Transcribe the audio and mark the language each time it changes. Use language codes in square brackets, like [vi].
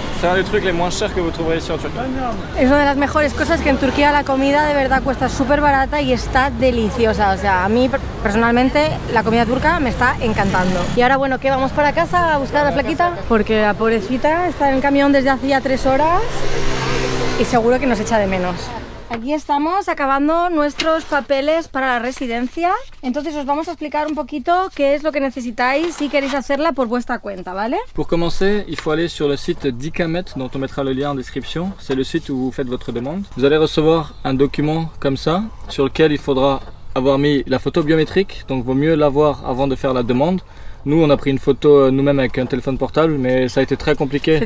[fr] C'est un des trucs les moins chers que vous trouverez ici en Turquie. [es] Es una de las mejores cosas, que en Turquía la comida de verdad cuesta súper barata y está deliciosa. O sea, a mí personalmente la comida turca me está encantando. Y ahora, bueno, ¿qué? ¿Vamos para casa a buscar a la flaquita? Porque la pobrecita está en el camión desde hace ya 3 horas y seguro que nos echa de menos. Aquí estamos acabando nuestros papeles para la residencia. Entonces os vamos a explicar un poquito qué es lo que necesitáis si queréis hacerla por vuestra cuenta, ¿vale? [fr] Pour commencer, il faut aller sur le site d'ICAMET, dont on mettra le lien en description. C'est le site où vous faites votre demande. Vous allez recevoir un document comme ça, sur lequel il faudra avoir mis la photo biométrique. Donc vaut mieux l'avoir avant de faire la demande. Nous, on a pris une photo nous-mêmes avec un téléphone portable, mais ça a été très compliqué.